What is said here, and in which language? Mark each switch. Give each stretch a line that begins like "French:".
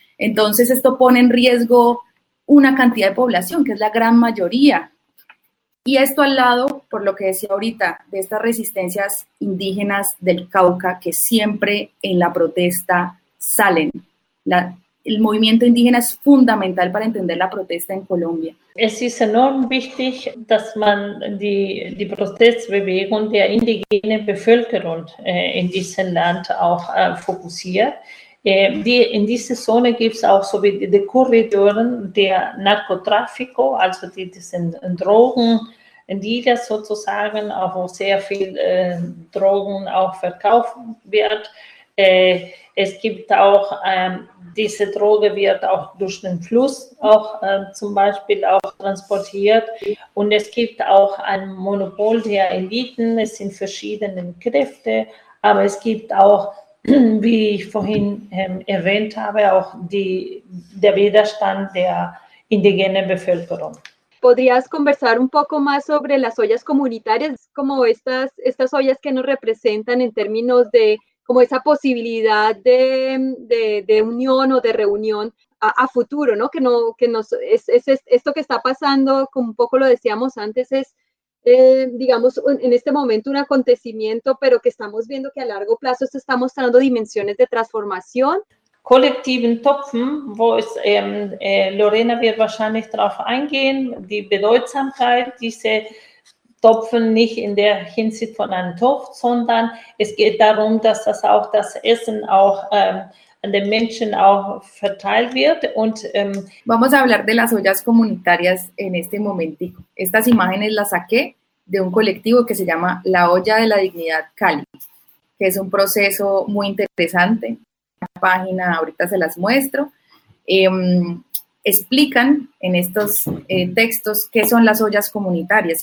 Spanish: Entonces esto pone en riesgo una cantidad de población, que es la gran mayoría. Y esto al lado, por lo que decía ahorita, de estas resistencias indígenas del Cauca que siempre en la protesta salen. El movimiento indígena es fundamental para entender la protesta en Colombia.
German: Es ist enorm wichtig, dass man die Protestbewegung der indigenen Bevölkerung in diesem Land auch fokussiert. In dieser Zone gibt es auch so wie die Korridore der Narcotráfico, also diese Drogen, die das sozusagen auch sehr viel Drogen auch verkauft wird. Es gibt auch diese Droge wird auch durch den Fluss auch zum Beispiel auch transportiert und es gibt auch ein Monopol der Eliten, es sind verschiedene Kräfte, aber es gibt auch, wie ich vorhin erwähnt habe, auch der Widerstand der indigenen Bevölkerung.
Spanish: ¿Podrías conversar un poco más sobre las ollas comunitarias, como estas ollas que nos representan en términos de como esa posibilidad de unión o de reunión a futuro, ¿no? Esto que está pasando, como un poco lo decíamos antes, es, digamos, en este momento un acontecimiento, pero que estamos viendo que a largo plazo esto está mostrando dimensiones de transformación.
German: kollektiven Topfen, wo es Lorena wird wahrscheinlich darauf eingehen, die Bedeutsamkeit dieser Topfen nicht in der Hinsicht von einem Topf, sondern es geht darum, dass das auch das Essen auch an den Menschen auch verteilt wird. Und
Spanish: vamos a hablar de las ollas comunitarias en este momentico. Estas imágenes las saqué de un colectivo que se llama La Olla de la Dignidad Cali, que es un proceso muy interesante. La página, ahorita se las muestro. Explican en estos textos qué son las ollas comunitarias.